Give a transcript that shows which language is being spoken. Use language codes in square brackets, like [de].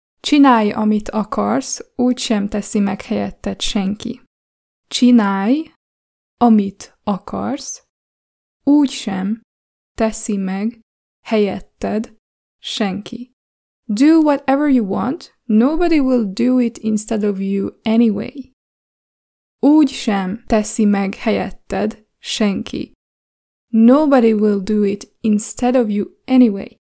[hu] Csinálj, amit akarsz, úgysem teszi meg helyetted senki. Csinálj, amit akarsz, úgysem teszi meg helyetted senki. [en] Do whatever you want, nobody will do it instead of you anyway. [hu] Úgysem teszi meg helyetted senki. [en] Nobody will do it instead of you anyway.